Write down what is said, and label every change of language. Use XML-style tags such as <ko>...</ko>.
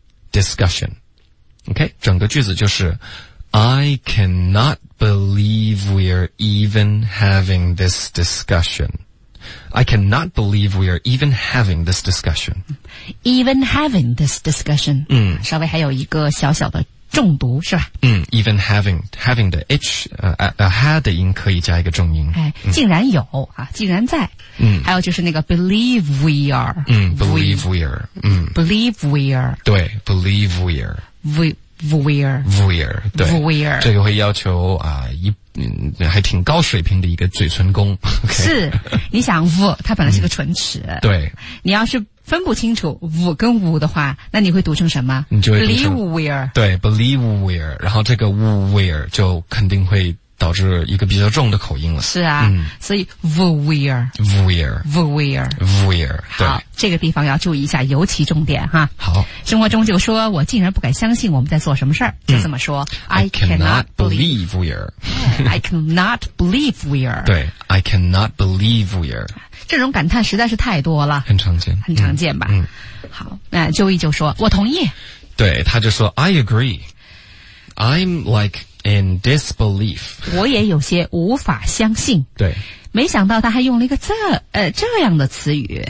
<en>Discussion. OK,</en> <zh>整个句子就是</zh> <en>I cannot believe we're even having this discussion. I cannot believe we're even having this discussion. Even having this discussion. 嗯，</en> <zh>稍微还有一个小小的重读是吧？嗯 ，even having 的 h had 的音可以加一个重音。哎，竟然有、嗯、啊，竟然在。嗯，还有就是那个</zh> <en>believe we are 嗯。嗯 ，believe we are。嗯，believe we are。对 ，believe we are。 We are。</en> <zh>对</zh> <en>，we are。</en> <zh>这个会要求啊、还挺高水平的一个嘴唇功。</zh> <en>Okay、</en> <zh>是，你想 v 它本来是个唇齿、嗯。对，你要是。分不清楚 w 跟 w 的话，那你会读成什么？你就会</zh> <en>believe we're，</en> <zh>对 ，</zh> <en>believe we're，</en> <zh>然后这个 we're 就肯定会导致一个比较重的口音了。是啊，嗯、所以 we're，对，这个地方要注意一下，尤其重点哈。好，生活中就说我竟然不敢相信我们在做什么事儿，就这么说。</zh> <en>I cannot believe we're， 对 ，I cannot believe we're。</en> <zh>这种感叹实在是太多了，很常见吧。嗯，好，那Joey就说，我同意。对，他就说</zh> <en>，I agree. I'm like in disbelief.</en> <zh>我也有些无法相信。对，没想到他还用了一个这样的词语</zh>